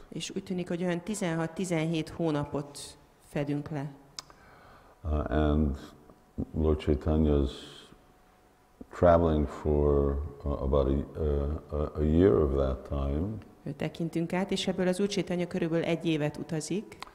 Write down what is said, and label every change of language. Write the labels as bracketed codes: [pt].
[hu] És úgy tűnik, hogy olyan 16-17 hónapot fedünk le. [en] And Lord Chaitanya's traveling for about a year of that time. [hu] Tekintünk át, és ebből az Úr Chaitanya körülbelül egy évet utazik.